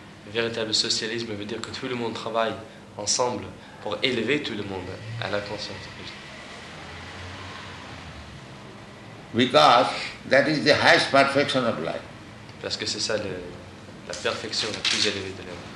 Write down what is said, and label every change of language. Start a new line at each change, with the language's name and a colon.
French: Véritable socialisme veut dire que tout le monde travaille ensemble pour élever tout le monde à la conscience de Krishna.
English: Because that is the highest perfection of life.
French: Parce que c'est ça la perfection la plus élevée de l'homme.